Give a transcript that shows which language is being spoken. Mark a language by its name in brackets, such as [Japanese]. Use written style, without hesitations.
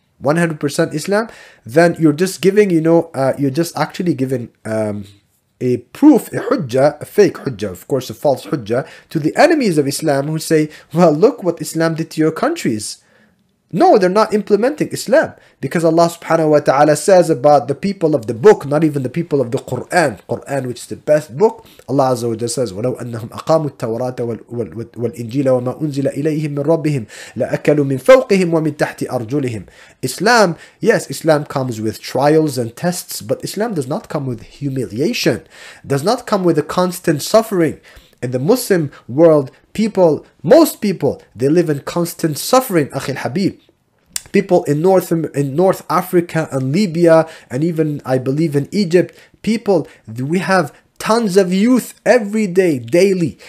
[English] 100% Islam? Then you're just giving, you know, you're just actually giving a proof, a hujjah, a fake hujjah, of course, a false hujjah, to the enemies of Islam, who say, well, look what Islam did to your countries. No, they're not implementing Islam. Because Allah subhanahu wa ta'ala says about the people of the book, not even the people of the Qur'an. Qur'an, which is the best book. Allah azza wa jalla says, [Arabic] وَلَوْ أَنَّهُمْ أَقَامُوا التَّوْرَاةَ وَالْإِنْجِيلَ وَمَا أُنزِلَ إِلَيْهِمْ مِنْ رَبِّهِمْ لَأَكَلُوا مِنْ فَوْقِهِمْ وَمِنْ تَحْتِ أَرْجُلِهِمْ. [English] Islam, yes, Islam comes with trials and tests, but Islam does not come with humiliation, does not come with a constant suffering. In the Muslim world, people, most people, they live in constant suffering, Akhi al-Habib. People in North Africa and Libya, and even, I believe, in Egypt, people, we have tons of youth every day, daily.